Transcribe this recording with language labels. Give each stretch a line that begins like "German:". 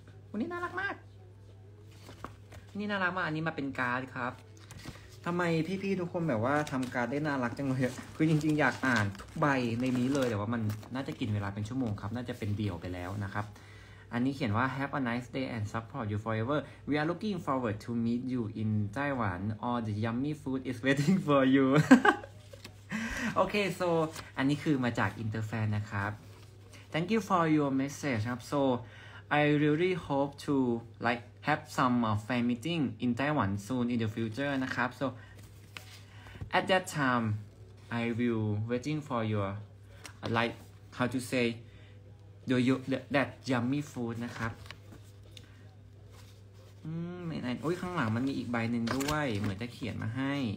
Thai: วันนี้น่ารักมากนี่น่ารักมากอันนี้มาเป็นการ์ดครับทำไมพี่ๆทุกคนแบบว่าทำการ์ดได้น่ารักจังเลยคือจริงๆอยากอ่านทุกใบในนี้เลยแต่ว่ามันน่าจะกินเวลาเป็นชั่วโมงครับน่าจะเป็นเดี่ยวไปแล้วนะครับอันนี้เขียนว่า
English: Have a nice day and support you forever. We are looking forward to meet you in Taiwan. All the yummy food is waiting for you. โอเค so
Thai: อันนี้คือมาจากอินเตอร์แฟนนะครับ
English: Thank you for your message ครับ so I really hope to like have some fan meeting in Taiwan soon in the future นะครับ so at that time I will waiting for your like how to sayโยโย่ that yummy food นะครับ
Thai: ไม่ไหนโอ้ยข้างหลังมันมีอีกใบหนึ่งด้วยเหมือนจะเขียนมาให้